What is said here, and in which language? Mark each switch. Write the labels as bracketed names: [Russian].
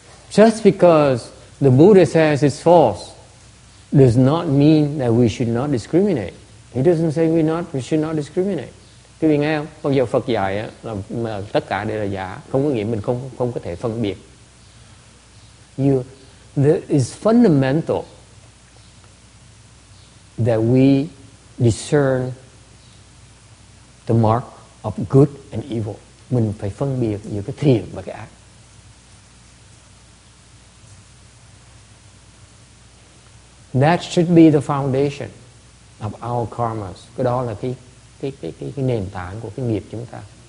[English] Just because the Buddha says it's false does not mean that we should not discriminate. He doesn't say we should not discriminate. [Vietnamese] Quý vị nghe không? Bây giờ Phật dạy là tất cả đều là giả, không có nghĩa mình không có thể phân biệt. [English] There is fundamental that we discern the mark of good and evil. [Vietnamese] Mình phải phân biệt giữa cái thiện và cái ác. [English] That should be the foundation of our karmas. [Vietnamese] Cái đó là cái nền tảng của cái nghiệp chúng ta.